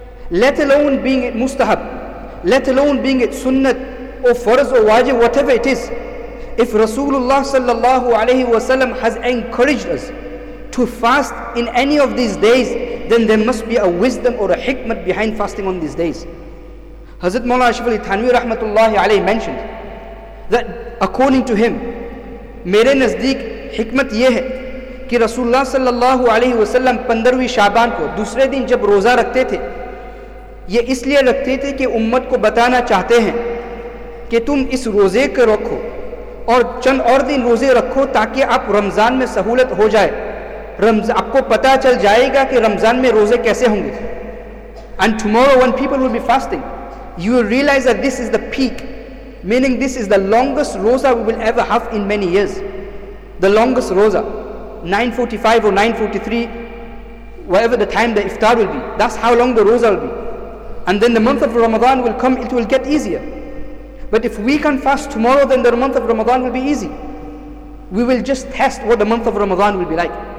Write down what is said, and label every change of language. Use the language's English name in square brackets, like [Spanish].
[English] Let alone being it mustahab, let alone being it sunnah or farz or wajib, whatever it is. If Rasulullah sallallahu alayhi wasallam has encouraged us to fast in any of these days, then there must be a wisdom or a hikmat behind fasting on these days. Hazrat Mawlana Ashraf Ali Thanvi rahmatullahi alayhi mentioned that according to him, [Urdu] میرے نزدیک حکمت یہ ہے کہ رسول اللہ صلی اللہ علیہ وسلم 15th شعبان کو دوسرے دن جب روزہ رکھتے تھے یہ اس لیے رکھتے تھے کہ امت کو بتانا چاہتے ہیں کہ تم اس روزے کو رکھو اور چند اور دن روزے رکھو تاکہ آپ رمضان میں سہولت ہو جائے آپ کو پتا چل جائے گا کہ رمضان میں روزے کیسے ہوں گے [English] and tomorrow when people will be fasting you will realize that this is the peak. Meaning this is the longest roza we will ever have in many years. The longest roza. 9:45 or 9:43, whatever the time the iftar will be. That's how long the roza will be. And then the month of Ramadan will come, it will get easier. But if we can fast tomorrow, then the month of Ramadan will be easy. We will just test what the month of Ramadan will be like.